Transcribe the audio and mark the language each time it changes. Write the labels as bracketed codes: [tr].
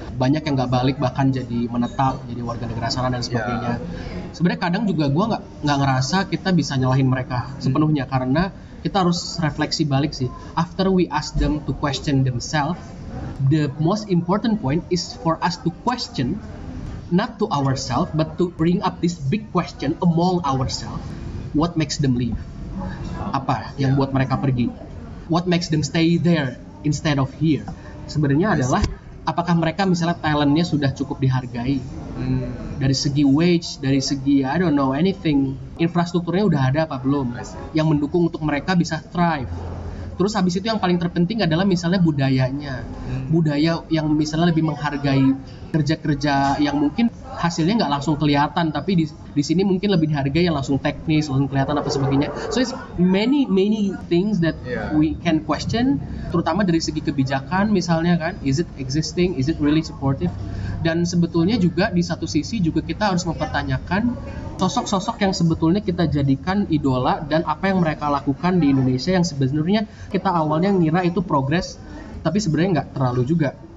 [id] Banyak yang gak balik, bahkan jadi menetap, jadi warga negara sana dan sebagainya. Sebenarnya kadang juga gue gak ngerasa kita bisa nyalahin mereka sepenuhnya, karena kita harus refleksi balik sih. [en] After we ask them to question themselves, the most important point is for us to question, not to ourselves, but to bring up this big question among ourselves. What makes them leave? [id] Apa yang buat mereka pergi? [en] What makes them stay there instead of here? [id] Sebenarnya adalah apakah mereka misalnya talentnya sudah cukup dihargai dari segi wage, dari segi [en] I don't know anything, [id] infrastrukturnya udah ada apa belum yang mendukung untuk mereka bisa thrive. Terus habis itu yang paling terpenting adalah misalnya budayanya, budaya yang misalnya lebih menghargai kerja-kerja yang mungkin hasilnya nggak langsung kelihatan, tapi di sini mungkin lebih dihargai yang langsung teknis, langsung kelihatan apa sebagainya. [en] So it's many many things that we can question, [id] terutama dari segi kebijakan misalnya kan, [en] is it existing, is it really supportive? [id] Dan sebetulnya juga di satu sisi juga kita harus mempertanyakan sosok-sosok yang sebetulnya kita jadikan idola dan apa yang mereka lakukan di Indonesia yang sebenarnya kita awalnya ngira itu progres, tapi sebenarnya nggak terlalu juga.